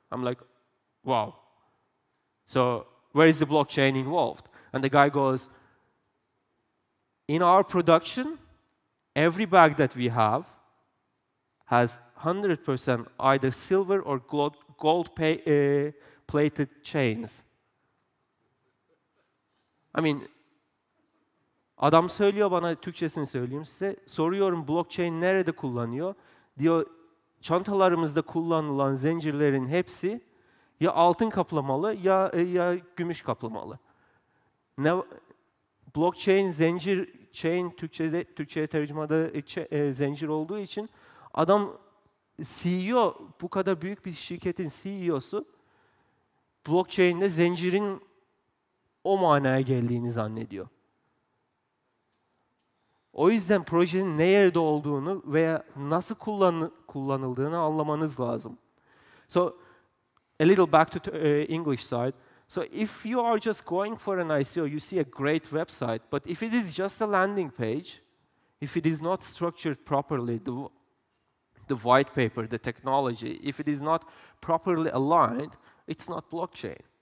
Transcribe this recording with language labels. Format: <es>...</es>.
<en>I'm like, wow. So where is the blockchain involved? And the guy goes, in our production, every bag that we have has 100% either silver or gold-plated chains. I mean,</en> <tr>adam söylüyor bana, Türkçesini söyleyeyim size. Soruyorum, blockchain nerede kullanıyor? Diyor, çantalarımızda kullanılan zincirlerin hepsi ya altın kaplamalı ya gümüş kaplamalı. Ne, blockchain zincir, chain Türkçe'ye tercümada zincir olduğu için adam CEO, bu kadar büyük bir şirketin CEO'su blockchain'de zincirin o manaya geldiğini zannediyor. O yüzden projenin ne yerde olduğunu veya nasıl kullanıldığını anlamanız lazım.</tr> <en>So a little back to English side. So if you are just going for an ICO, you see a great website, but if it is just a landing page, if it is not structured properly, the white paper, the technology, if it is not properly aligned, it's not blockchain.</en>